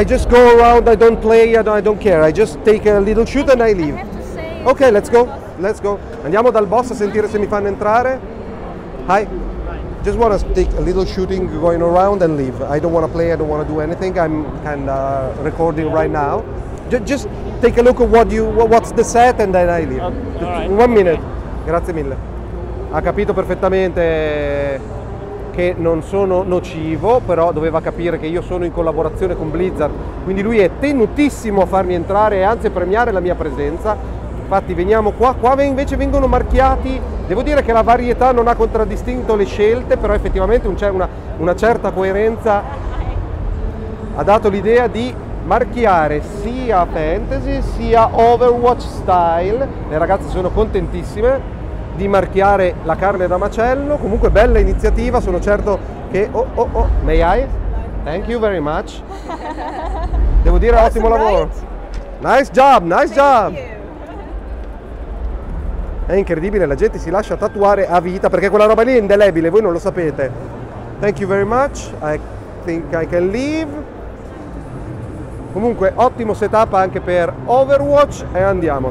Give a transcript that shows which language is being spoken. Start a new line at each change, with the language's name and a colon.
English: I just go around, I don't play, I don't care. I just take a little shoot and I leave. I have to say, ok, let's go. Let's go.
Italian: Andiamo dal boss a sentire se mi fanno entrare.
English: Hi. Just want to take a little shooting going around and leave. I don't want to play, I don't want to do anything. I'm kind of recording right now. Just take a look at what's the set and then I leave. Right. One minute. Okay.
Italian: Grazie mille. Ha capito perfettamente che non sono nocivo, però doveva capire che io sono in collaborazione con Blizzard. Quindi lui è tenutissimo a farmi entrare e anzi a premiare la mia presenza. Infatti veniamo qua, qua invece vengono marchiati. Devo dire che la varietà non ha contraddistinto le scelte, però effettivamente c'è una certa coerenza. Ha dato l'idea di marchiare sia Fantasy sia Overwatch Style. Le ragazze sono contentissime di marchiare la carne da macello. Comunque bella iniziativa, sono certo che...
English: Oh, oh, oh, may I? Thank you very much.
Italian: Devo dire,
English: awesome,
Italian: ottimo lavoro.
English: Right? Nice job, nice Thank job. You.
Italian: È incredibile, la gente si lascia tatuare a vita perché quella roba lì è indelebile, voi non lo sapete.
English: Thank you very much, I think I can leave.
Italian: Comunque ottimo setup anche per Overwatch e andiamo.